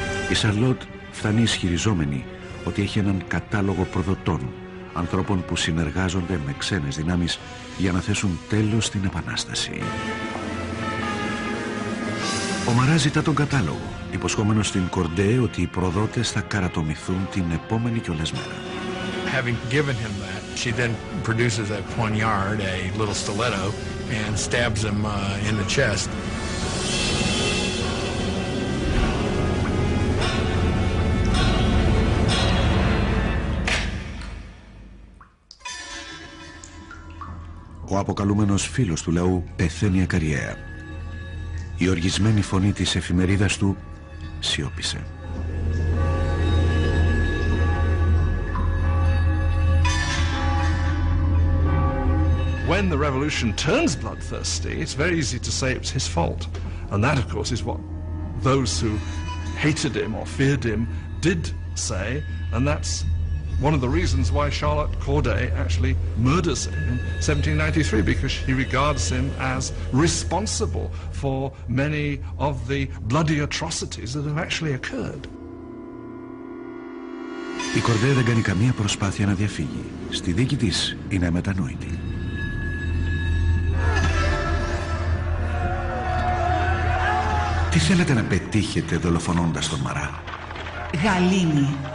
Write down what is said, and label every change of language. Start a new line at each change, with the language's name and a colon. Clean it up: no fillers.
Greek: Η Σαρλότ φτάνει ισχυριζόμενη ότι έχει έναν κατάλογο προδοτών, ανθρώπων που συνεργάζονται με ξένες δυνάμεις για να θέσουν τέλος στην Επανάσταση. Ο Μαρά ζητά τον κατάλογο, υποσχόμενος στην Κορντέ ότι οι προδότες θα καρατομηθούν την επόμενη κιόλας μέρα.
English: Having given him that, she then produces a poignard, a little stiletto, and stabs him in the chest.
Greek: Ο αποκαλούμενος φίλος του λαού πεθαίνει ακαριέα. Η οργισμένη φωνή της εφημερίδας του σιώπησε.
English: When the revolution turns bloodthirsty, it's very easy to say it's his fault. And that, of course, is what those who hated him or feared him did say. And that's one of the reasons why Charlotte Corday actually murders him in 1793, because she regards him as responsible for many of the bloody atrocities that have actually occurred.
Greek: Η Κορντέ δεν κάνει καμία προσπάθεια να διαφύγει. Στη δίκη της είναι αμετανόητη. Τι θέλετε να πετύχετε δολοφονώντας τον Μαρά? Γαλήνη.